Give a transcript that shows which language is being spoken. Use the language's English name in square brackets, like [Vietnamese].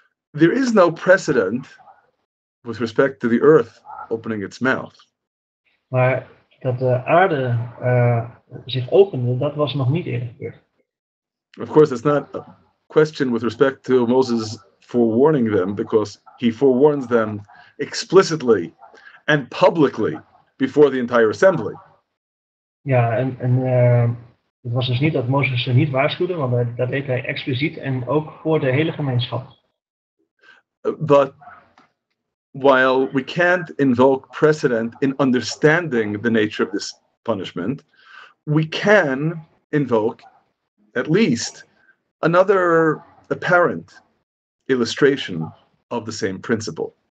[English] There is no precedent with respect to the earth opening its mouth. [Dutch] Maar dat de aarde zich opende, dat was nog niet eerder gebeurd. [English] Of course, it's not a question with respect to Moses forewarning them, because he forewarns them explicitly and publicly before the entire assembly. [Dutch] Ja, en het was dus niet dat Moses ze niet waarschuwde, want dat deed hij expliciet en ook voor de hele gemeenschap. [English] But while we can't invoke precedent in understanding the nature of this punishment, we can invoke at least another apparent illustration of the same principle.